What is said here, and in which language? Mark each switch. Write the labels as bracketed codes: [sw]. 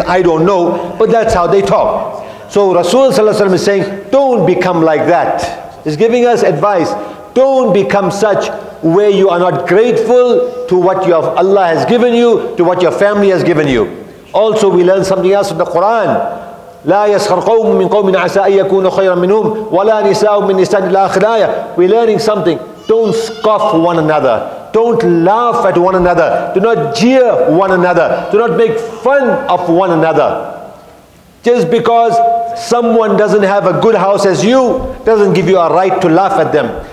[en] I don't know, but that's how they talk. So Rasulullah is saying, don't become like that. He's giving us advice. Don't become such where you are not grateful to what your Allah has given you, to what your family has given you. Also, we learn something else from the Quran. [ar] لا يسخر قوم من قوم عسى أن يكونوا خيرا منهم ولا نساء من نساء إلى آخر الآية. [en] We're learning something. Don't scoff one another. Don't laugh at one another. Do not jeer one another. Do not make fun of one another. Just because someone doesn't have a good house as you, doesn't give you a right to laugh at them.